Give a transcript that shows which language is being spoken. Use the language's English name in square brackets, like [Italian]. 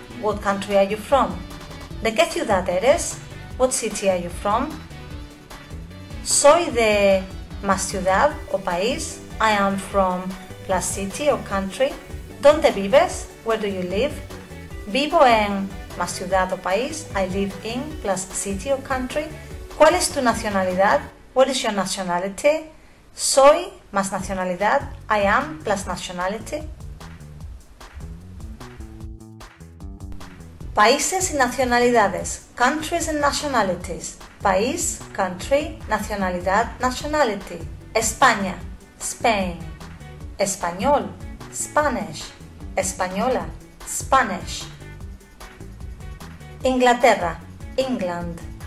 [English] What country are you from? [Spanish] ¿De qué ciudad eres? [English] What city are you from? [Spanish] Soy de más ciudad o país. [English] I am from plus city or country. [Spanish] ¿Dónde vives? [English] Where do you live? [Spanish] Vivo en más ciudad o país. [English] I live in plus city or country. [Spanish] ¿Cuál es tu nacionalidad? [English] What is your nationality? [Spanish] Soy más nacionalidad. [English] I am plus nationality. [Spanish] Países y nacionalidades. [English] Countries and nationalities. [Spanish] País, country, nacionalidad, nationality. España, Spain. Español, Spanish. Española, Spanish. Inglaterra, England.